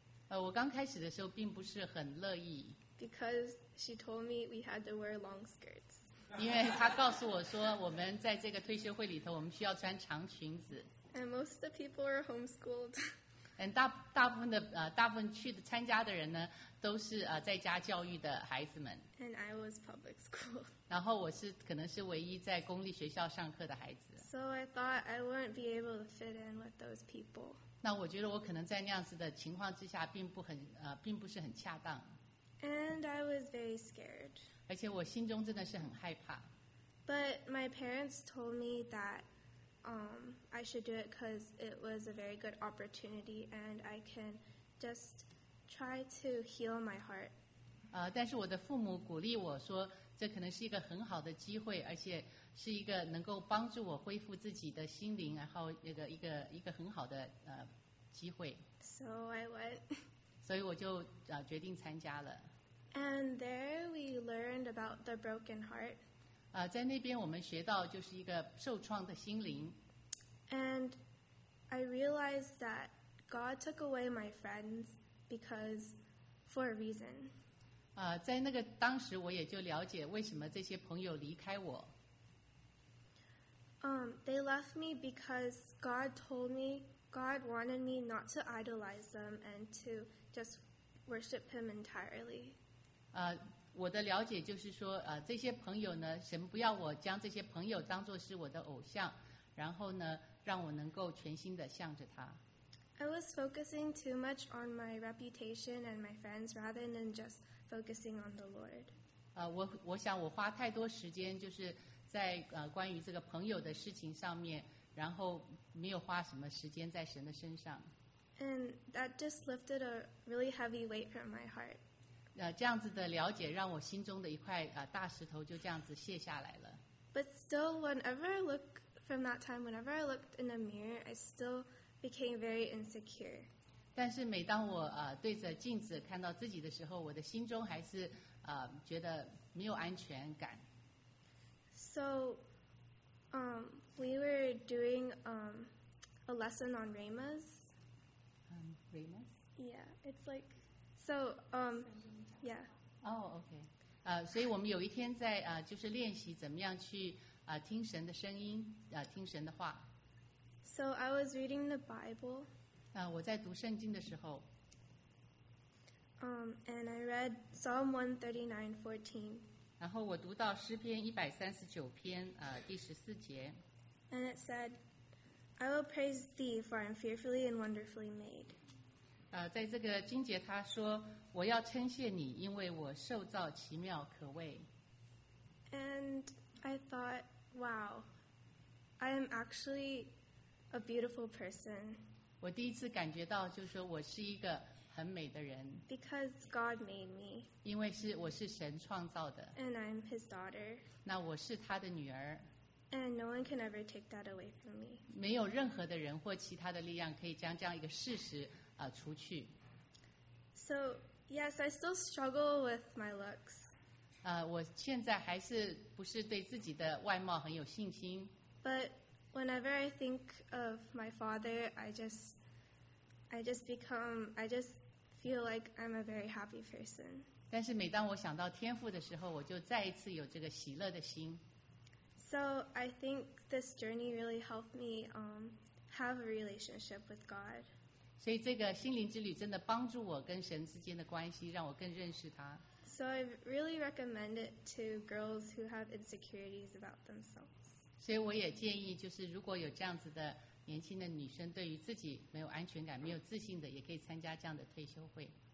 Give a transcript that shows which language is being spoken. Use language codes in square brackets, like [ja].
[zh] 我刚开始的时候并不是很乐意。 [en] Because she told me we had to wear long skirts. [zh] 因为他告诉我说我们在这个退休会里头我们需要穿长裙子。 [en] And most of the people are homeschooled. [zh] And 大部分去的参加的人呢都是在家教育的孩子们。 [en] And I was public school. [zh] 然后我是可能是唯一在公立学校上课的孩子。 [en] So I thought I wouldn't be able to fit in with those people. [zh] 那我觉得我可能在那样子的情况之下并不是很恰当。 [en] And I was very scared. [zh] 而且我心中真的是很害怕。 [en] But my parents told me that I should do it because it was a very good opportunity and I can just try to heal my heart. [zh] 但是我的父母鼓励我说这可能是一个很好的机会而且是一个能够帮助我恢复自己的心灵然后一个很好的机会。 [en] So I went. [zh] 所以我就决定参加了。 [en] And there we learned about the broken heart. [zh] 在那边我们学到就是一个受创的心灵。 [en] And I realized that God took away my friends because for a reason. [zh] 在那个当时我也就了解为什么这些朋友离开我。 [en] They left me because God told me, God wanted me not to idolize them and to just worship Him entirely. [zh] 我的了解就是说这些朋友呢神不要我将这些朋友当作是我的偶像然后呢让我能够全心的向着他。 [en] I was focusing too much on my reputation and my friends rather than just focusing on the Lord. [zh] 我想我花太多时间就是在关于这个朋友的事情上面然后没有花什么时间在神的身上。 [en] And that just lifted a really heavy weight from my heart. [zh] 这样子的了解让我心中的一块大石头就这样子卸下来了。 [en] But still, whenever I looked in the mirror, I still became very insecure. [zh] 但是每当我对着镜子看到自己的时候，我的心中还是觉得没有安全感。 [en] So, we were doing a lesson on Rhema's. Rhema's? Yeah, it's like so. Yeah. Oh, okay. [zh] 所以我们有一天在就是练习怎么样去。听神的声音听神的话。 [en] So I was reading the Bible. [zh] 我在读圣经的时候。 [en] And I read Psalm 139:14. [zh] 然后我读到诗篇139篇第14节。 [en] And it said, I will praise thee for I am fearfully and wonderfully made. [zh] 在这个经节他说我要称谢你因为我受造奇妙可畏。 [en] And I thought, wow, I am actually a beautiful person. [zh] 我第一次感觉到就是说我是一个很美的人。 [en] Because God made me. [zh] 因为是我是神创造的。 [en] And I'm his daughter. [zh] 那我是他的女儿。 [en] And no one can ever take that away from me. [zh] 没有任何的人或其他的力量可以将这样一个事实除去。 [en] So, yes, I still struggle with my looks. [zh] 我现在还是不是对自己的外貌很有信心。 [en] But whenever I think of my father, I just feel like I'm a very happy person. [zh] 但是每当我想到天父的时候，我就再一次有这个喜乐的心。 [en] So I think this journey really helped me have a relationship with God. [zh] 所以这个心灵之旅真的帮助我跟神之间的关系，让我更认识他。 [en] So I really recommend it to girls who have insecurities about themselves. [zh] 所以我也建议，就是如果有这样子的年轻的女生，对于自己没有安全感、没有自信的，也可以参加这样的退休会。